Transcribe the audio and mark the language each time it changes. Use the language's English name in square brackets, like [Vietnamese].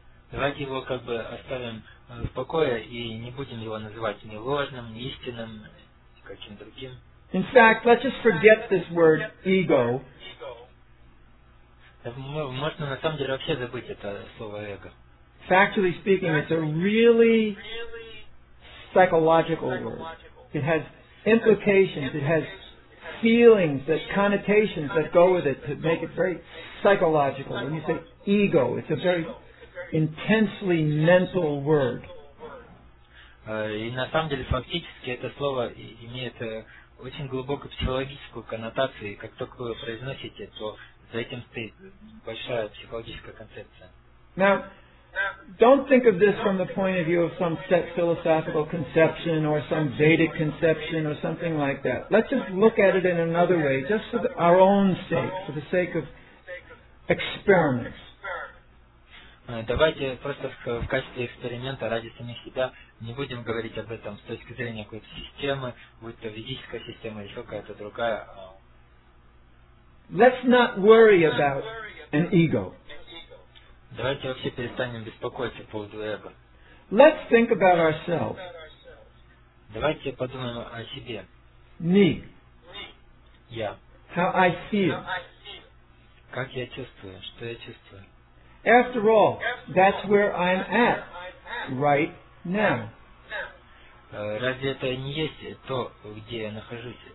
[Russian] Давайте его как бы оставим в покое и не будем его называть ни ложным, ни истинным, ни каким другим. [English] In fact, let's just forget this word ego. [Russian] Можно на самом деле вообще забыть это слово эго. [English] Factually speaking, it's a really psychological word. It has implications, it has feelings, that connotations that go with it to make it very psychological. When you say ego, it's a very intensely mental word. [Russian] И на самом деле фактически это слово имеет очень глубокую психологическую коннотацию, и как только вы произносите, то за этим стоит большая психологическая концепция. [English] Now, don't think of this from the point of view of some set philosophical conception or some Vedic conception or something like that. Let's just look at it in another way, just for our own sake, for the sake of experiments. [Russian] Давайте просто в качестве эксперимента ради самих себя не будем говорить об этом с точки зрения какой-то системы, будь то физическая система или какая-то другая. [English] Let's not worry about an ego. [Russian] Давайте вообще перестанем беспокоиться по поводу эго. [English] Let's think about ourselves. [Russian] Давайте подумаем о себе. [English] Me. [Russian] Я. [English] How I feel. [Russian] Как я чувствую? Что я чувствую? [English] After all, that's where I'm at right now. [Russian] Разве это не есть то, где я нахожусь?